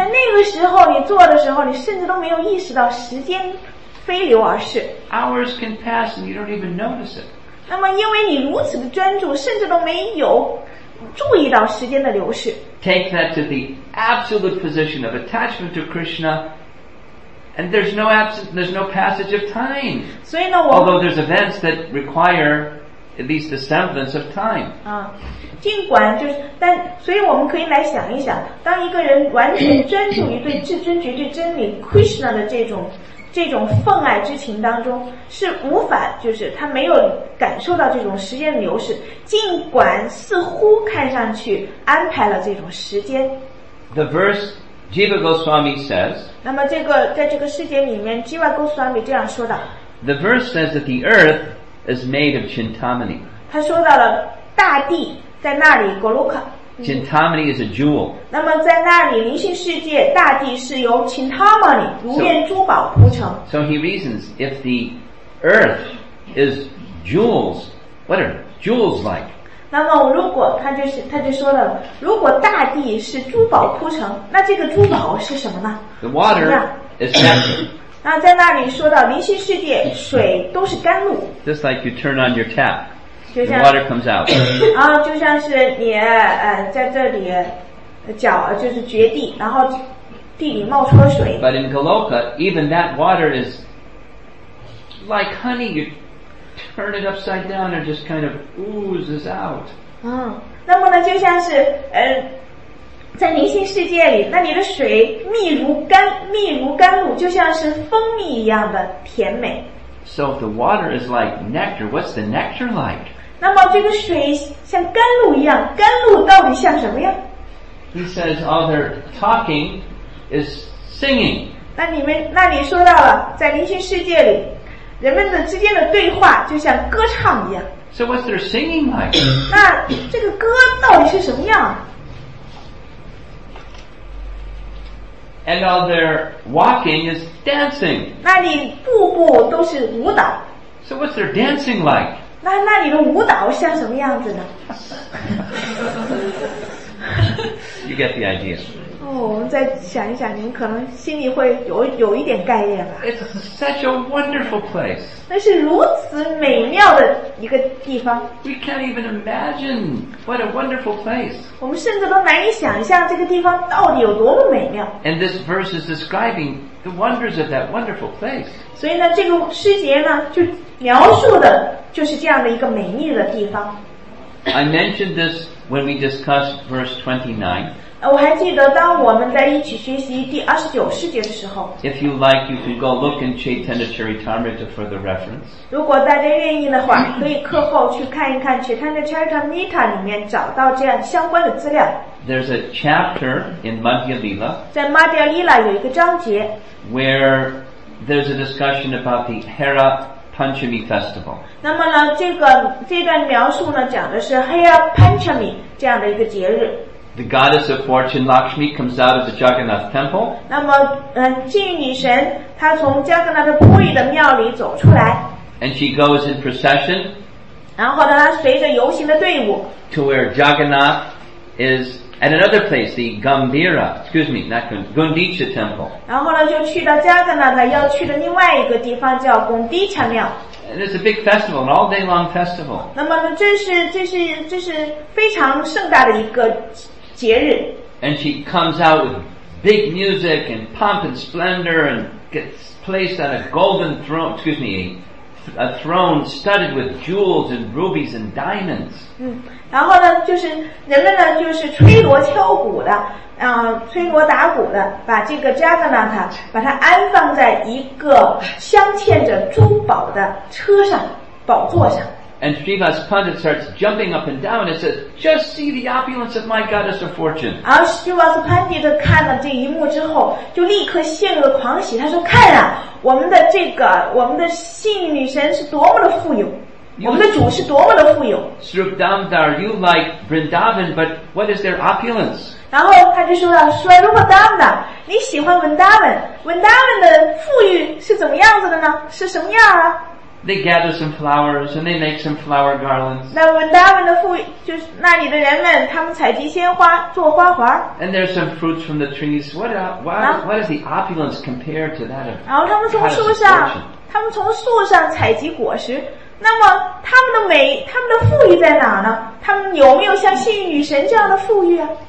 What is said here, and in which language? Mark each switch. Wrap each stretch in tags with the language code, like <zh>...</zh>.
<zh>在那个时候你做的时候，你甚至都没有意识到时间飞流而逝。</zh> <en>Hours can pass and you don't even notice it.</en> <zh>那么因为你如此的专注，甚至都没有注意到时间的流逝。</zh> <en>Take that to the absolute position of attachment to Krishna. And there's no absence, there's no passage of time.</en> <zh>所以呢，我</zh> <en>although there's events that require at least the semblance of time.</en> <zh>尽管就是，但所以我们可以来想一想，当一个人完全专注于对至尊绝对真理 Krishna 的这种奉爱之情当中，是无法就是他没有感受到这种时间的流逝，尽管似乎看上去安排了这种时间。</zh> <en>The verse. Jiva Goswami says,</en> <zh>那么这个在这个世界里面 Jiva Goswami 这样说的</zh> <en>The verse says that the earth is made of Chintamani.</en> <zh>他说到了大地在那里 Goloka.</zh> <en>Chintamani is a jewel.</en> <zh>那么在那里灵性世界大地是由 Chintamani 如面珠宝铺成</zh> <en>So he reasons, if the earth is jewels, what are jewels like?</en> <zh>那么如果他就是他就说了如果大地是珠宝铺成那这个珠宝是什么呢</zh> <en>The water is nectar.</en> <zh>那在那里说到灵性世界水都是甘露</zh> <en>Just like you turn on your tap, the water comes out.</en> <zh>就像是你在这里脚就是掘地然后地里冒出了水</zh> <en>But in Goloka, even that water is like honey, youTurn it upside down and just kind of oozes out.</en> <zh>那么呢，就像是在灵性世界里，那你的水蜜如甘露，就像是蜂蜜一样的甜美。</zh> <en>So if the water is like nectar, what's the nectar like?</en> <zh>那么这个水像甘露一样，甘露到底像什么样？</zh> <en>He says, all their talking is singing.</en> <zh>那你说到了，在灵性世界里。人们的之间的对话就像歌唱一样。</zh> <en>So what's their singing like?</en> <zh>那这个歌到底是什么样</zh> <en>？And all their walking is dancing.</en> <zh>那你步步都是舞蹈。</zh> <en>So what's their dancing like?</en> <zh>那你的舞蹈像什么样子呢</zh> <en>？You get the idea.</en> <zh>我们再想一想，您可能心里会有一点概念吧。</zh> <en>It's such a wonderful place.</en> <zh>那是如此美妙的一个地方。</zh> <en>We can't even imagine what a wonderful place.</en> <zh>我们甚至都难以想象这个地方到底有多么美妙。</zh> <en>And this verse is describing the wonders of that wonderful place.</en> <zh>所以呢，这个诗节呢，就描述的就是这样的一个美丽的地方。</zh> <en>I mentioned this when we discussed verse 29.</en> <zh>我还记得当我们在一起学习第二十九世界的时候</zh> <en>If you like, you can go look in Chaitanya Charitamrita for the reference.</en> <zh>如果大家愿意的话可以课后去看一看 Chaitanya Charitamrita 里面找到这样相关的资料</zh> <en>There's a chapter in Madhya Lila</en> <zh>在 Madhya Lila 有一个章节</zh> <en>Where there's a discussion about the Hera Panchami Festival.</en> <zh>那么呢这段描述呢讲的是 Hera Panchami 这样的一个节日</zh> <en>The goddess of fortune, Lakshmi, comes out of the Jagannath temple.</en> <zh>那么，妓女神她从 Jagannath Puri 的庙里走出来。</zh> <en>And she goes in procession.</en> <zh>然后呢，她随着游行的队伍。</zh> <en>To where Jagannath is at another place, the Gambira, excuse me, not Gundicha temple.</en> <zh>然后呢，就去到 Jagannath 要去的另外一个地方叫 Gundicha 庙。</zh> <en>And it's a big festival, an all-day-long festival.</en> <zh>那么呢，这是非常盛大的一个节日。</zh> <en>And she comes out with big music and pomp and splendor, and gets placed on a golden throne. Excuse me, a throne studded with jewels and rubies and diamonds.</en> <zh>然后呢，就是人们呢，就是吹锣敲鼓的，吹锣打鼓的，把这个 Jagannath 把它安放在一个镶嵌着珠宝的车上，宝座上。</zh> <en>And Srivas Pandit starts jumping up and down and says, just see the opulence of my goddess of fortune.</en> <zh>而 Srivas Pandit 看了这一幕之后就立刻陷入了狂喜，他说看啊，我们的这个我们的幸运女神是多么的富有，我们的主是多么的富有。</zh> <en>Srup Damdar, you like Vrindavan, but what is their opulence?</en> <zh>然后他就说了，说 Srup Damdar, 你喜欢 Vrindavan, Vrindavan 的富裕是怎么样子的呢？是什么样啊？</zh> <en>They gather some flowers and they make some flower garlands.</en> <zh>那 Vrindavan 的富裕就是那里的人们，他们采集鲜花做花环。</zh> <en>And there's some fruits from the trees. What is the opulence compared to that of?</en> <zh>然后他们从树上，他们从树上采集果实。那么他们的美，他们的富裕在哪呢？他们有没有像幸运女神这样的富裕啊？</zh>